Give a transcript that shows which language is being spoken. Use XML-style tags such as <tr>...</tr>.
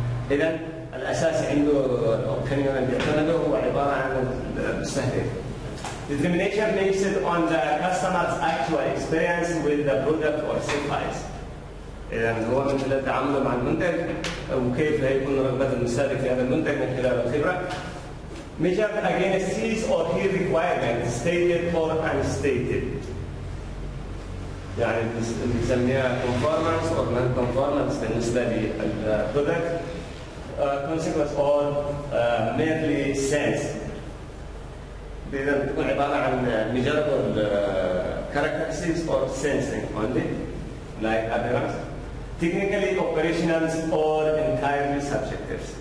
<ar>إذا الأساس عنده خلينا نعتمده هو عبارة عن مستهدف.</ar> <en>Determination based on the customer's actual experience with the product or service.</en> <ar>يعني هو من خلال تعامله مع المنتج وكيف هيكون رغبة المستهلك لهذا المنتج من خلال الخبرة.</ar> <en>Measured against his or her requirements stated or unstated.</en> <ar>يعني بنسميها</ar> <en>conformance or non-conformance</en> <ar>بالنسبة للبرودكت.</ar> <en>Consequence or merely sense.</en> <ar>إذا تكون عبارة عن</ar> <en>measurable characteristics or sensing only like appearance. Technically operational or entirely subjective.</en>